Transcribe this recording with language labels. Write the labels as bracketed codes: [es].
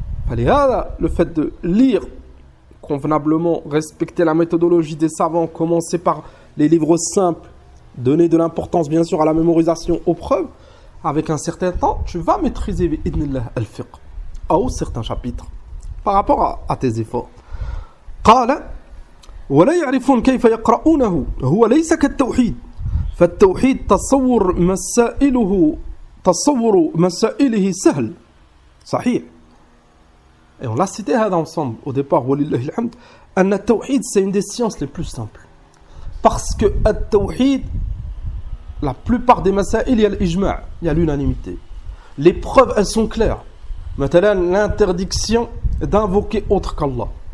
[fr] Le fait de lire convenablement, respecter la méthodologie des savants, commencer par les livres simples, donner de l'importance bien sûr à la mémorisation, aux preuves, avec un certain temps, tu vas maîtriser bi'idhnillah al-fiqh. أو certains chapitres par rapport à tes efforts. [ar] قال ولا يعرفون كيف يقرؤونه هو ليس كالتوحيد فالتوحيد تصور مسائله تصور مسائله سهل صحيح. [fr] Et on l'a cité هذا ensemble au départ [ar] ولله الحمد أن التوحيد [fr] c'est une des sciences les plus simples parce que التوحيد la plupart des مسائل il y a l'ijma il y a l'unanimité les preuves elles sont claires. Maintenant, l'interdiction d'invoquer autre qu'Allah.